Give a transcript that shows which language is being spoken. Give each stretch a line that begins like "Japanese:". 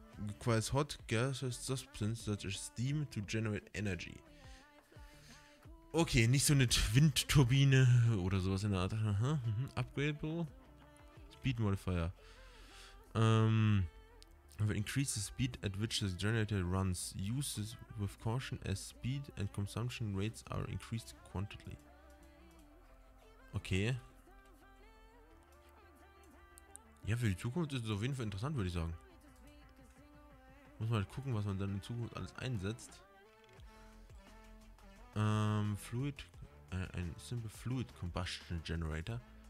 English: requires hot gaseous substance such as steam to generate energy.
German: Okay, nicht so eine Windturbine oder sowas in der Art.
English: Upgradable. Speed Modifier. Will increase the speed at which the generator runs. Use this with caution as speed and consumption rates are increased quantity. Okay.
German: Ja, für die Zukunft ist es auf jeden Fall interessant, würde ich sagen. Muss man halt gucken, was man dann in Zukunft alles einsetzt. Fluid. Ein Simple Fluid Combustion Generator.